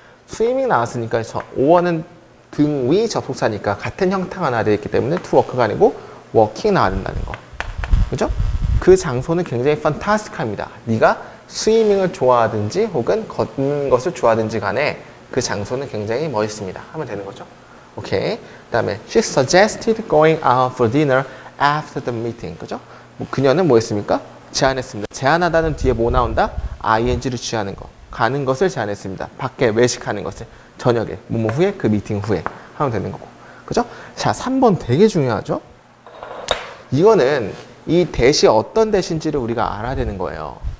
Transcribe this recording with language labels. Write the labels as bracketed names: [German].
[Korean] swimming 나왔으니까 오어는 등위 접속사니까 같은 형태가 나와야 되기 때문에 [English] to walk [Korean] 가 아니고 walking 나와야 된다는 거 그죠? 그 장소는 굉장히 fantastic합니다. 네가 스위밍을 좋아하든지 혹은 걷는 것을 좋아하든지 간에 그 장소는 굉장히 멋있습니다 하면 되는 거죠. 오케이. 그다음에 [English] she suggested going out for dinner after the meeting. [Korean] 그죠? 뭐 그녀는 뭐 했습니까? 제안했습니다. 제안하다는 뒤에 뭐 나온다? ing를 취하는 거. 가는 것을 제안했습니다. 밖에 외식하는 것을 저녁에 뭐 후에 그 미팅 후에 하면 되는 거고. 그죠? 자, 3번 되게 중요하죠? 이거는 이 대시 어떤 대신지를 우리가 알아야 되는 거예요.